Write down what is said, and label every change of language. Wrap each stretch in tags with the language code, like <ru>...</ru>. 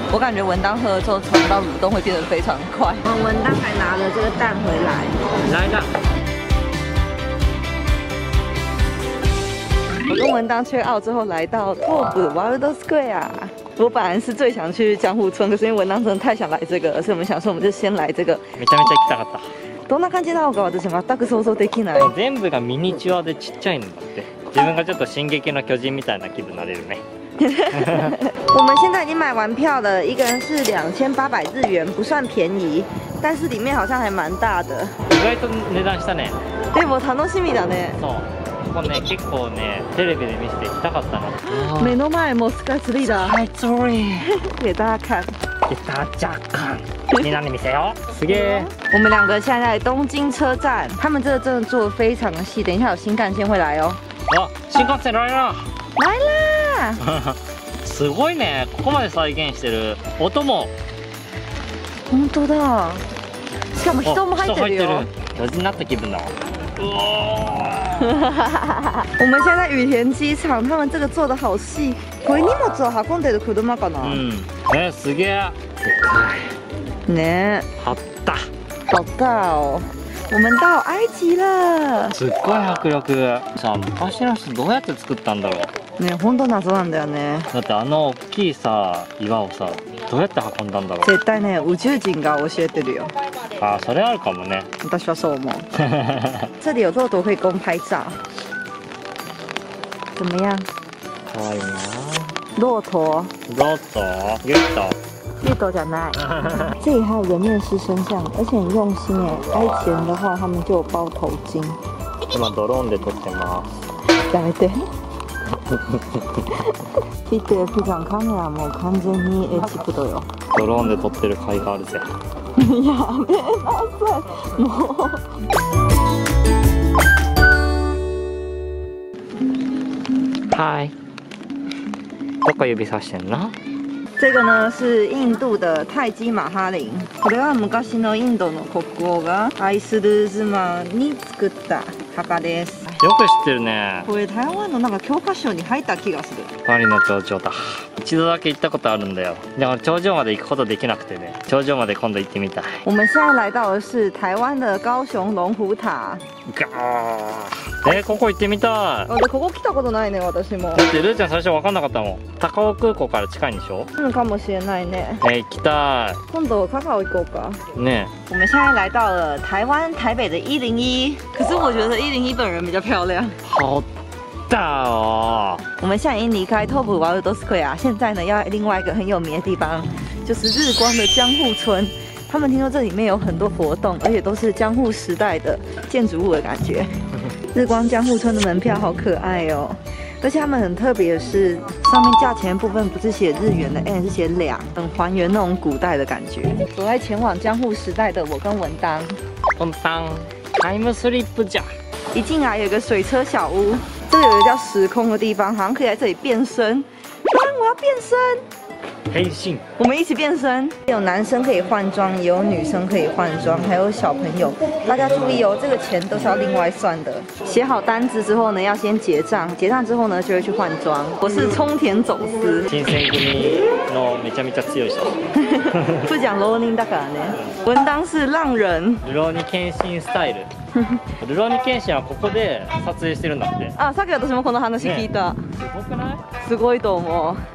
<zh>我感觉文当喝了之后肠道蠕动会变得非常快。我们文当还拿了这个蛋回来，来一下。我跟文当缺澳之后来到 Top Wild Square。我本来是最想去江户村，可是因为文当真的太想来这个，所以我们想说我们就先来这个。</zh> <ja>めちゃめちゃ行きたかった。どんな感じなのか私全く想像できない。全部がミニチュアでちっちゃいんだって。自分がちょっと進撃の巨人みたいな気分になれるね。</ja> <zh>我们现在已经买完票了，一个人是2800日元，不算便宜，但是里面好像还蛮大的。</zh> <ja>意外と値段したね。でも楽しみだね。そう。ここね結構ねテレビで見せて行きたかったの。目の前もスカイツリーだ。スカイツリー。</ja> <zh>给大家看。给大家看。你哪里没在哦？</zh> <ja>すげえ。</ja> <zh>我们两个现在在东京车站，他们这个真的做非常的细，等一下有新干线会来哦。啊，新干线来啦！来啦！</zh> <ja>すごいね、ここまで再現してる。音も。本当だ。しかも人も入ってるよ。人入ってる。巨人になった気分だ。</ja> <zh>我们现在羽田机场，他们这个做的好细。</zh> <ja>これ荷物を運んでる車かな？嗯。え、すげえ。ね。</ja> <zh>好大。好大哦。我们到埃及了。</zh> <ja>すっごい迫力。さあ、昔の人どうやって作ったんだろう。ね、本当謎なんだよね。だってあの大きいさ岩をさどうやって運んだんだろう。絶対ね、宇宙人が教えてるよ。あ、それあるかもね。私はそう思う。</ja> <zh>这里有骆驼可以供拍照。怎么样？</zh> <ja>可愛いな。</ja> <zh>骆驼。骆驼。</zh> <ja>ゲット。</ja> <zh>绿豆加奶，这里还有人面狮身像，而且很用心哎。埃及人的话，他们就有包头巾。</zh> <ja>今ドローンで撮ってます。やめて。ビデオ、ビデオ、カメラも完全にエチプトよ。ドローンで撮ってる甲斐があるぜ。やめなさい、もう。はい。どこ指さしてんの？</ja> <zh>这个呢是印度的泰姬玛哈林。</zh> <ja>これは昔のインドの国王がアイスルーズマに作った墓です。よく知ってるね。これ台湾のなんか教科書に入った気がする。万里の長城だ。一度だけ行ったことあるんだよ。でも頂上まで行くことできなくてね。頂上まで今度行ってみたい。</ja> <zh>我们现在来到的是台湾的高雄龙虎塔。ガ</zh> <ja>ー。 ここ行ってみたい。あ、でここ来たことないね、私も。だってルーちゃん最初分かんなかったもん。高尾空港から近いんでしょ？うん、かもしれないね。行きたい。今度高尾行こうか。ね。</ja> <zh>我们现在来到了台湾台北的101。可是我觉得101本人比较漂亮。好大哦。我们现在已经离开 Top Wild Square， 现在呢要另外一个很有名的地方，就是日光的江户村。他们听说这里面有很多活动，而且都是江户时代的建筑物的感觉。日光江户村的门票好可爱哦，而且他们很特别的是，上面价钱的部分不是写日元的 N， 是写两，很还原那种古代的感觉。我在前往江户时代的我跟文当。文当 ，Time Slip 家。一进来有个水车小屋，这里有一个叫时空的地方，好像可以在这里变身。当，我要变身。黑信，我们一起变身。有男生可以换装，也有女生可以换装，还有小朋友。大家注意哦，这个钱都是要另外算的。写好单子之后呢，要先结账。结账之后呢，就会去换装。我是冲田总司。</zh> <ja>新選組のめちゃめちゃ強い人。</ja> <zh>不讲浪人</zh> <ja>だからね。</ja> <zh>文当是浪人。</zh> <ja>ルロニケンシンスタイル。ルロニケンシンはここで撮影してるんだって。あ、さっき私もこの話聞いた。すごくない？すごいと思う。</ja>